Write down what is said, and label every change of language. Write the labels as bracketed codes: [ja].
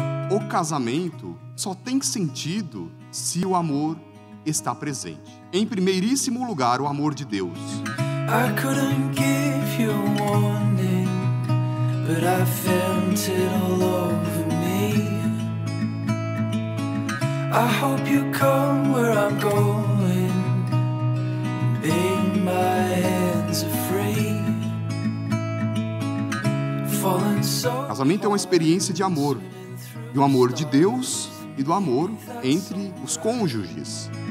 [pt] o casamento só tem sentido se o amor está presente. Em primeiríssimo lugar, o amor de Deus. [en] I couldn't give you a warning, but I felt it all over me. I hope you come where I'm going, being my hands are free. Falling so. [pt] Casamento é uma experiência de amor, do amor de Deus e do amor entre os cônjuges.